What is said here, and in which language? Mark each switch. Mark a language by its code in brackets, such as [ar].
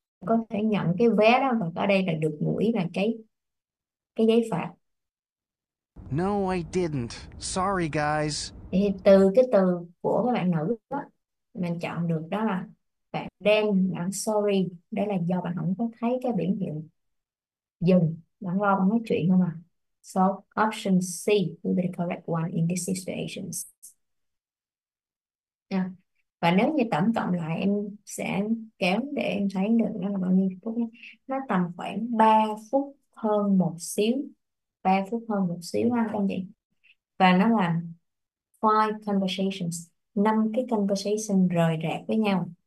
[vi] Có thể nhận cái vé đó, và ở đây là được ngụ ý là cái giấy phạt. [en] No, I didn't. Sorry, guys. [vi] Thì từ cái từ của các bạn nữ đó, mình chọn được đó là bạn đen, bạn sorry. Đấy là do bạn không có thấy cái biển hiệu dừng. Bạn lo bạn nói chuyện không à? [en] So option C will be the correct one in this situation. Yeah. [vi] Và nếu như tổng cộng lại em sẽ kéo để em thấy được nó là bao nhiêu phút nhé. Nó tầm khoảng 3 phút hơn một xíu. 3 phút hơn một xíu ha các anh chị. Và nó là 5 conversations. 5 cái conversation rời rạc với nhau.